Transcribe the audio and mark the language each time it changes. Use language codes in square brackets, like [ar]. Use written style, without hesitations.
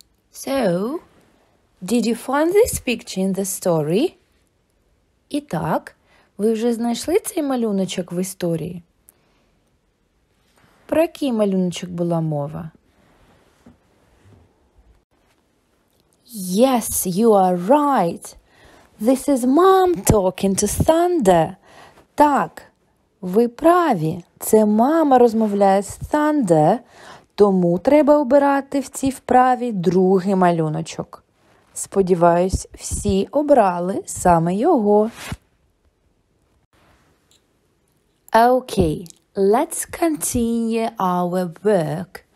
[en] So, did you find this picture in the story? [uk] І так, ви вже знайшли цей малюночок в історії? Про який малюночок була мова? [en] Yes, you are right. This is Mum talking to Thunder. [uk] Так, ви праві. Це мама розмовляє з Санде, тому треба обирати в цій вправі другий малюночок. Сподіваюсь, всі обрали саме його. [en] Okay, let's continue our work.